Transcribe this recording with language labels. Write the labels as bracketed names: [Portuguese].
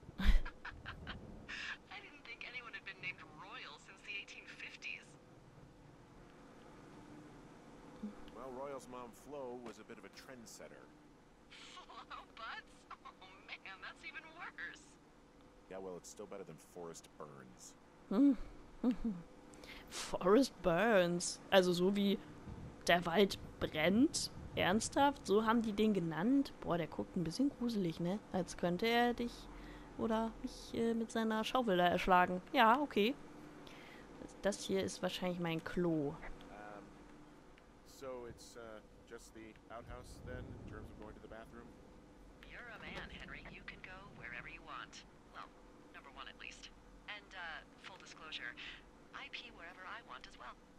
[English] I didn't think anyone had been named Royal since the 1850s. Well, Royal's mom Flo was a bit of a trendsetter. Flo Butts? Oh man, that's even worse. Yeah, well, it's still better than Forrest Burns. Forest Burns. [German] Also so wie der Wald brennt. Ernsthaft? So haben die den genannt? Boah, der guckt ein bisschen gruselig, ne? Als könnte er dich oder mich mit seiner Schaufel da erschlagen. Ja, okay. Das hier ist wahrscheinlich mein Klo. [English] So it's just the outhouse then, in terms of going to the bathroom? You're a man, Henry. You can go wherever you want. Well, number one at least. And, full disclosure, I pee wherever I want as well.